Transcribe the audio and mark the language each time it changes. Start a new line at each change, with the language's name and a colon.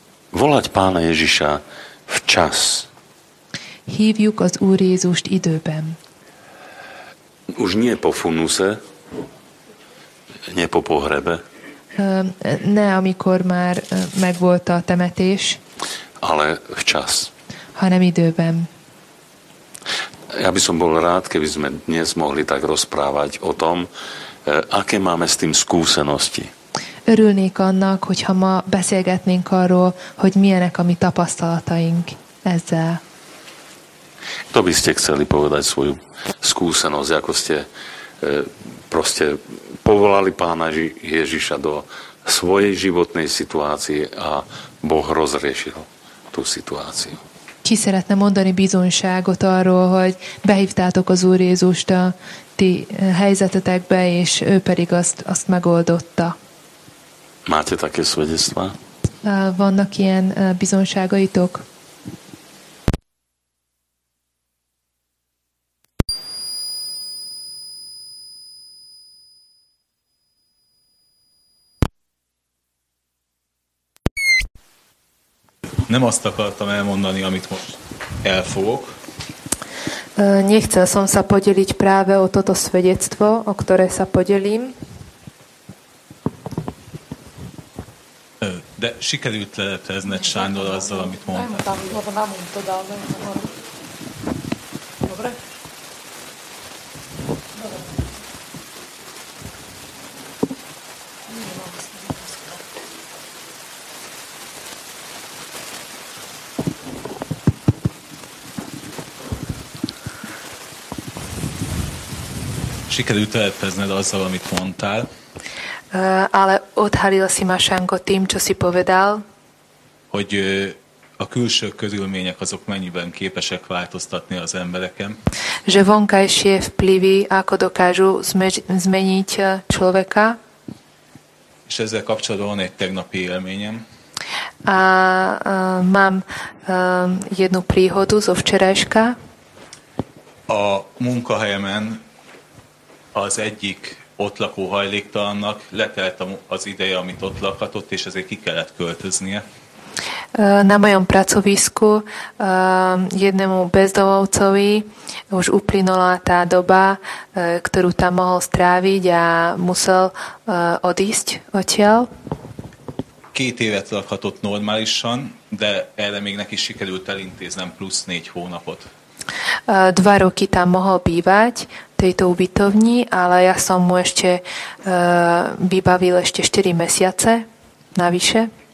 Slovak: Volať pána Ježiša včas.
Hungarian: Hívjuk az Úr Jézust időben.
Slovak: Už nie po funuse, nie po pohrebe.
Hungarian: Ne, amikor már megvolt a temetés.
Slovak: Ale včas.
Hungarian: Hanem időben.
Slovak: Ja by som bol rád, keby sme dnes mohli tak rozprávať o tom, aké máme s tým skúsenosti.
Hungarian: Örülnék annak, hogyha ma beszélgetnénk arról, hogy milyenek a mi tapasztalataink ezzel.
Slovak: To by ste chceli povedať svoju skúsenosť, ako ste proste povolali pána Ježiša do svojej životnej situácie a Boh rozriešil tú situáciu.
Hungarian: Ki szeretne mondani bizonyságot arról, hogy behívtátok az Úr Jézust a ti helyzetetekbe, és ő pedig azt megoldotta.
Slovak: Máte také svedectvá?
Hungarian: Vannak ilyen bizonyságaitok? nem azt akartam elmondani, amit most elfogok.
Slovak: Nechcel som sa podeliť práve o toto svedectvo, o ktoré sa podelím.
Hungarian: De sikerült lelepezned Sándor azzal, amit mondtál. Sikerült lelepezned azzal, amit mondtál.
Slovak: Ale odhalil si ma, Sánko, tým, čo si povedal.
Hungarian: Hogy a külső körülmények azok mennyiben képesek változtatni az embereken.
Slovak: Že vonkajšie vplyvy, ako dokážu zmeniť človeka.
Hungarian: És ezzel kapcsolatban egy tegnapi élményem.
Slovak: A mám jednu príhodu zo včerajška.
Hungarian: A munkahelyemen az egyik ott lakó hajléktalannak letelt az ideje, amit ott lakhatott, és ezért ki kellett költöznie.
Slovak: Na mojom pracovisku jednemu bezdomovcovi už uplynula tá doba, ktorú tam mohol stráviť a musel odísť odtiaľ.
Hungarian: Két évet lakhatott normálisan, de erre még neki sikerült elintéznem plusz 4 hónapot.
Slovak: Dva roky tam mohol bývať tejto ubytovni, ale ja som mu ešte vybavil ešte 4 mesiace navyše.